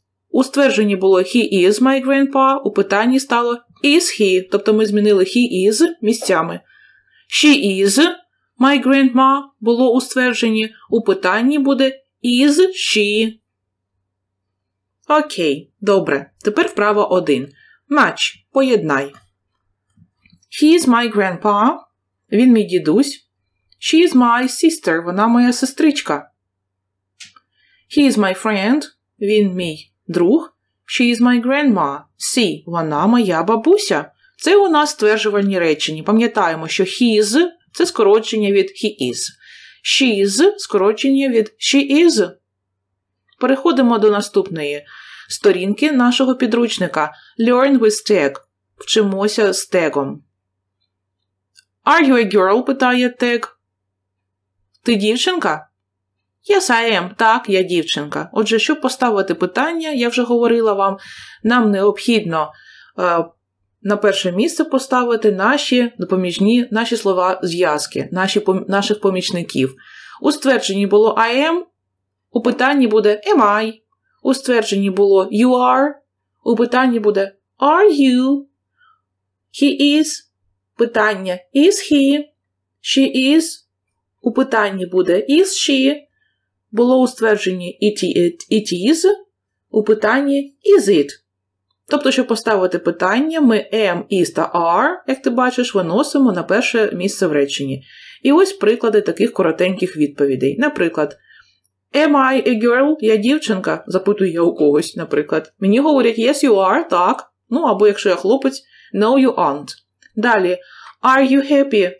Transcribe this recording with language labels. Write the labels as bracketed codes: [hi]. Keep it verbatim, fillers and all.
[uk] У ствердженні було [en] he is my grandpa, [uk] у питанні стало [en] is he, [uk] тобто ми змінили [en] he is [uk] місцями. [en] She is my grandma [uk] було у ствердженні, у питанні буде [en] is she. [uk] Окей, добре, тепер вправа один. Match, поєднай. [en] He is my grandpa, [uk] він мій дідусь. [en] She is my sister, [uk] вона моя сестричка. [en] He is my friend, [uk] він мій друг. [en] She is my grandma, [uk] she, вона моя бабуся. Це у нас стверджувальні речення. Пам'ятаємо, що his – це скорочення від [en] he is. She is – [uk] скорочення від [en] she is. [uk] Переходимо до наступної сторінки нашого підручника [en] Learn with tag. [uk] Вчимося з тегом. [en] Are you a girl? [uk] Питає тег. Ти дівчинка? [en] Yes, I am. [uk] Так, я дівчинка. Отже, щоб поставити питання, я вже говорила вам, нам необхідно е, на перше місце поставити наші допоміжні, наші слова зв'язки, наші, пом, наших помічників. У ствердженні було [en] I am, [uk] у питанні буде [en] am I. [uk] У ствердженні було [en] you are, [uk] у питанні буде [en] are you. He is. [uk] Питання [en] is he. She is. [uk] У питанні буде [en] is she. [uk] Було у ствердженні [en] it, it, it is, [uk] у питанні [en] is it. [uk] Тобто, щоб поставити питання, ми am, is та are, як ти бачиш, виносимо на перше місце в реченні. І ось приклади таких коротеньких відповідей. Наприклад, [en] am I a girl? [uk] Я дівчинка? Запитую я у когось, наприклад. Мені говорять, [en] yes, you are, [uk] так. Ну, або якщо я хлопець, [en] no, you aren't. [uk] Далі, [en] are you happy?